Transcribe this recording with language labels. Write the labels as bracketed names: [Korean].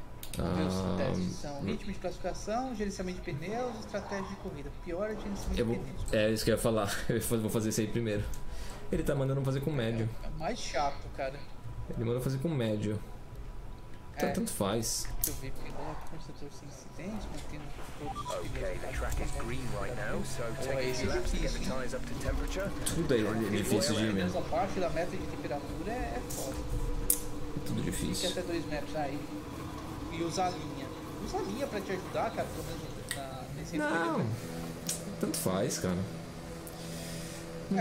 [Portuguese] Os testes são ritmo de classificação, gerenciamento de pneus, estratégia de corrida. Pior é gerenciamento de pneus. É isso que eu ia falar, eu vou fazer isso aí primeiro. Ele tá mandando fazer com médio. É mais chato, cara. Ele manda fazer com médio. Então, tanto faz. Deixa eu ver, porque não é constatou sem incidentes, mantendo todos os pneus. [English] Ok, o track is green right now, [Portuguese] então [English] take a few laps to get the tires up to temperature. [Portuguese] Tudo é difícil de ir mesmo. A parte da meta de temperatura é foda. É tudo difícil. Fica até 2 metros aí. E usar a linha pra te ajudar, cara, pelo menos nesse não, emprego. Tanto faz, cara. Não